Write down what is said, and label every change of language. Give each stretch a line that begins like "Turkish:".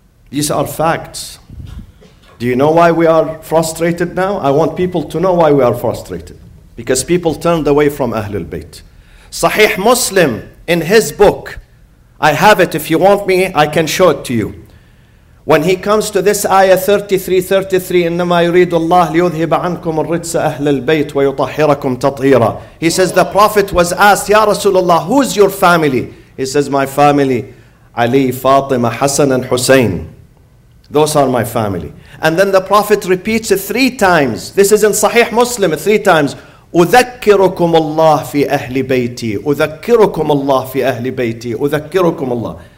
English: These are facts. Do you know why we are frustrated now? I want people to know why we are frustrated. Because people turned away from Ahlul Bayt. Sahih Muslim, in his book, I have it, if you want me, I can show it to you. When he comes to this ayah 33:33,
Arabic: إِنَّمَا يُرِيدُ اللَّهُ لِيُذْهِبَ عَنْكُمُ الرِّجْسَ أَهْلِ الْبَيْتِ وَيُطَحِّرَكُمْ تَطْهِيرًا.
English: He says, the Prophet was asked, Ya Rasulullah, who's your family? He says, my family, Ali, Fatima, Hassan, and Hussein. Those are my family. And then the Prophet repeats it three times. This is in Sahih Muslim, three times.
Arabic: أُذَكِّرُكُمُ اللَّهُ فِي أَهْلِ بَيْتِي أُذَكِّرُكُمُ اللَّهُ فِي أَهْلِ بَيْتِي أُذَكِّرُكُمُ اللَّهُ.